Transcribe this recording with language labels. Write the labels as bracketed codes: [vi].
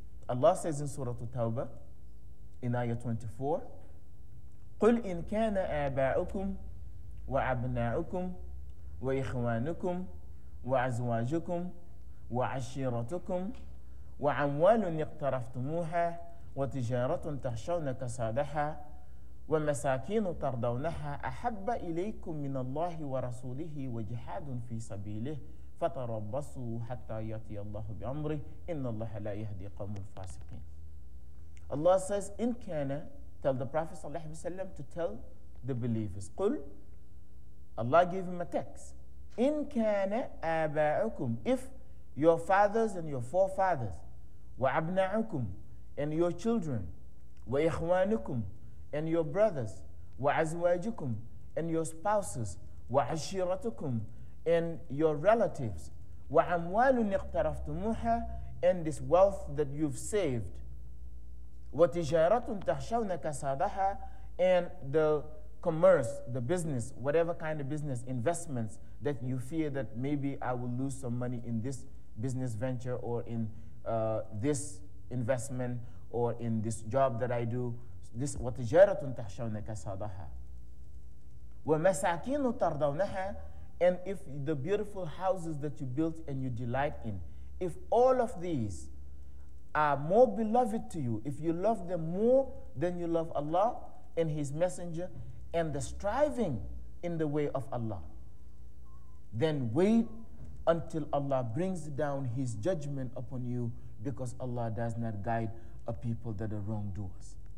[en] Allah says in Surah At-Tawbah, in ayah 24, [ar] قُلْ إِنْ كَانَ آبَاؤُكُمْ وَأَبْنَاؤُكُمْ وَإِخْوَانُكُمْ وَأَزْوَاجُكُمْ وَعَشِيرَتُكُمْ وَأَمْوَالٌ اقْتَرَفْتُمُوهَا وَتِجَارَةٌ تَخْشَوْنَ كَسَادَهَا وَمَسَاكِينُ تَرْضَوْنَهَا أَحَبَّ إِلَيْكُمْ مِنَ اللَّهِ وَرَسُولِهِ وَجِهَادٌ فِي سَبِيلِهِ فَتَرَبَّصُوا حَتَّى يَأْتِيَ اللَّهُ بِأَمْرِهِ إِنَّ اللَّهَ لَا يَهْدِي قَوْمَ الْفَاسِقِينَ. [en] Allah says, in kana, tell the Prophet sallallahu alaihi wasallam to tell the believers. Qul, Allah gave him a text. [ar] In kana aba'ukum, [en] if your fathers and your forefathers [ar] وأبناءكم [en] and your children, [ar] وإخوانكم [en] and your brothers, [ar] وأزواجكم [en] and your spouses, [ar] وعشيرتكم [en] and your relatives, [ar] وأموال اقترفتموها [en] and this wealth that you've saved, [ar] وتجارة تخشون كسادها [en] and the commerce, the business, whatever kind of business, investments that you fear that maybe I will lose some money in this business venture or in this investment or in this job that I do. [ar] This وتجارة تخشون كسادها ومساكين ترضونها. [en] And if the beautiful houses that you built and you delight in, if all of these are more beloved to you, if you love them more than you love Allah and His Messenger and the striving in the way of Allah, then wait until Allah brings down His judgment upon you, because Allah does not guide a people that are wrongdoers.